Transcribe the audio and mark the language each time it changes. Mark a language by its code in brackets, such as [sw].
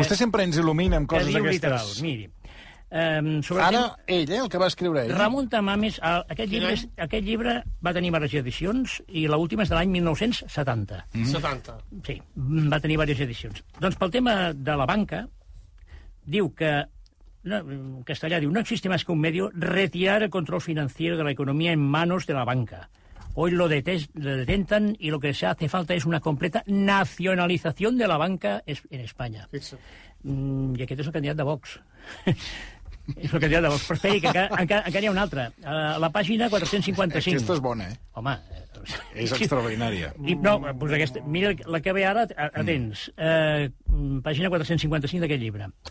[ca] Vostè sempre ens il·lumina amb coses d'aquestes. Literal, miri. El que va escriure ell. Ramon Tamames, aquest llibre va tenir diverses edicions, i l'última és de l'any 1970. Mm. 70. Sí, va tenir diverses edicions. Doncs pel tema de la banca, diu que... No, en castellà diu, [es] no existe más que un medio retirar el control financiero de la economía en manos de la banca. Hoy lo detentan y lo que se hace falta es una completa nacionalización de la banca en España. [ca] I aquest és el candidat de Vox. És el candidat de Vox. Però esperi, que encara hi ha una altra. A la pàgina 455. Aquesta és bona, eh? Home. És extraordinària. Mira la que ve ara, atents. Pàgina 455 d'aquest llibre.